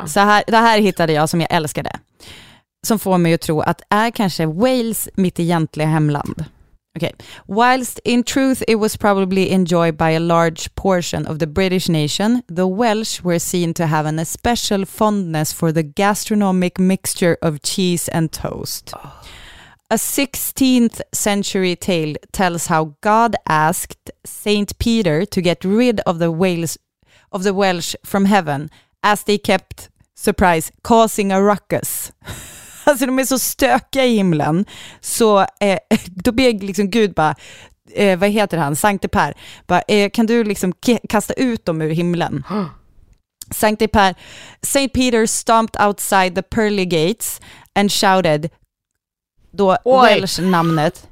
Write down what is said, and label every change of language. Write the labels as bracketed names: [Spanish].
[Swedish] okay, det här hittade jag som jag älskade. Som får mig att tro att är kanske Wales mitt egentliga hemland. Okej. Okay. [English] Whilst in truth it was probably enjoyed by a large portion of the British nation, the Welsh were seen to have an especial fondness for the gastronomic mixture of cheese and toast. A 16th century tale tells how God asked Saint Peter to get rid of the Welsh from heaven as they kept, surprise, causing a ruckus. [Swedish] Alltså de är så stökiga i himlen. Så då ber liksom Gud bara, vad heter han? Sankte Per. Bara, kan du liksom kasta ut dem ur himlen? Sankte Per. [English] Saint Peter stomped outside the pearly gates and shouted, [Swedish] då Welsh-namnet.